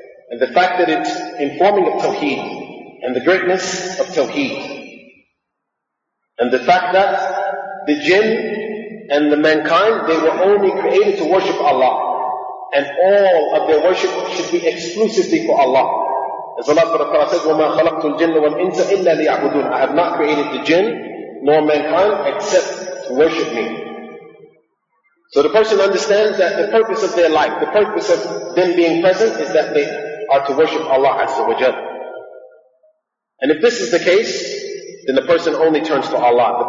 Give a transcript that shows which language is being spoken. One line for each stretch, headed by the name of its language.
English: And the fact that it's informing of Tawheed and the greatness of Tawheed. And the fact that the jinn and the mankind, they were only created to worship Allah. And all of their worship should be exclusively for Allah. As Allah said,
Arabic: وَمَا خَلَقْتُ الْجِنَّ وَالْإِنسَ إِلَّا لِيَعْبُدُونَ.
English: I have not created the jinn nor mankind except to worship me. So the person understands that the purpose of their life, the purpose of them being present, is that they are to worship Allah Azza wa Jalla. And if this is the case, then the person only turns to Allah.